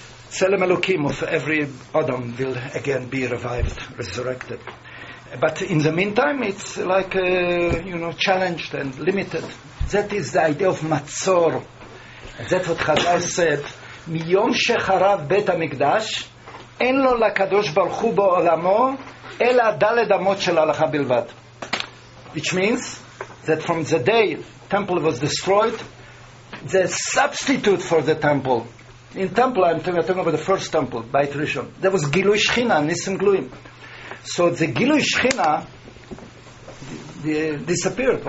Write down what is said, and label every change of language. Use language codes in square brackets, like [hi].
[en] Tzelem Elokim of every Adam will again be revived, resurrected. But in the meantime, it's like, you know, challenged and limited. That is the idea of Matzor. That's what Chazal said, [he] מיום שחרב בית המקדש אין לו לקדוש ברוך הוא בעולמו אלא דלת אמות של הלכה בלבד. [en] Which means that from the day temple was destroyed, the substitute for the temple, in temple I'm talking about the first temple by tradition, there was Gilui Shechina, Nisim Gluim. So the Gilui Shechina disappeared.